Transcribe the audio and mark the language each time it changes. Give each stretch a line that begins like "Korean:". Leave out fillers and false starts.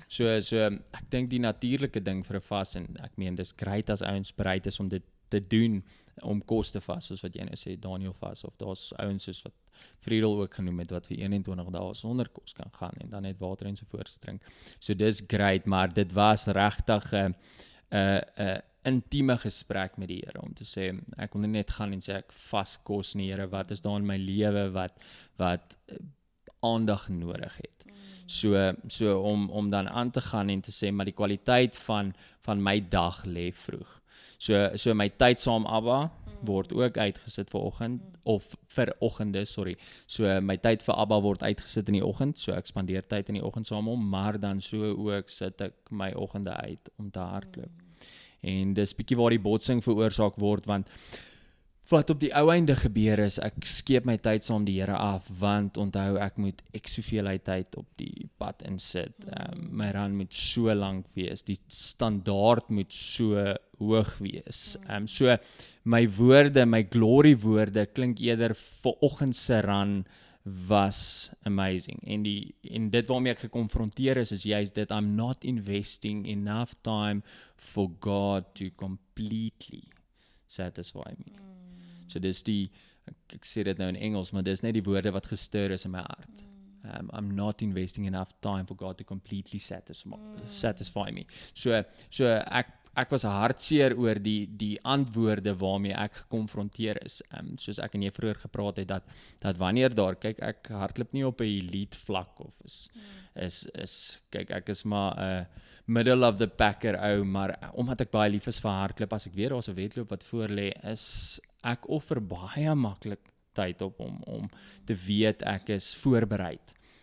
Afrikaans: So ek dink die natuurlike ding vir 'n vas, en ek meen, dis great as ouens bereid is om dit te doen, om kos te vas, soos wat jy nou sê, Daniel vas, of daar's ouens soos wat Friedel ook genoem het, wat vir 21 dae sonder kos kan gaan, en dan net water en so voort drink. So dis great, maar dit was regtig 'n intieme gesprek met die Here, om te sê, ek wil net gaan en sê, ek vas kos nie, Here, wat is daar in my lewe, wat aandag nodig het. So om dan aan te gaan en te sê, maar die kwaliteit van my dag lê vroeg. So my tyd saam Abba word ook uitgesit vir oggend of vir oggende, sorry. So my tyd vir Abba word uitgesit in die oggend, so ek spandeer tyd in die oggend saam om, maar dan so ook sit ek my oggende uit om te hardloop. En dis bietjie waar die botsing veroorsaak word, want wat op die ou einde gebeur is, ek skeep my tyd saam die Here af, want onthou, ek moet ek soveel tyd op die pad insit. My run moet so lank wees, die standaard moet so hoog wees. So, my woorde, my glory woorde, klink eerder vir oggend se run was amazing. En dit waarmee ek gekonfronteer is juist dit,
English: I'm not investing enough time for God to completely satisfy me.
Afrikaans: So dis die, ek sê dit nou in Engels, maar dis net die woorde wat gestir is in my hart.
English: I'm not investing enough time for God to completely satisfy me.
Afrikaans: So ek was hartseer oor die antwoorde waarmee ek gekonfronteer is. Soos ek en jy vroeger gepraat het, dat wanneer daar, kyk, ek hardloop nie op 'n elite vlak of is kyk, ek is maar 'n
English: middle of the packer
Afrikaans: ou, maar omdat ek baie lief is vir hardloop, as ek weer daar 'n wedloop wat voorlê is, ek offer baie maklik tyd op om te weet ek is voorbereid.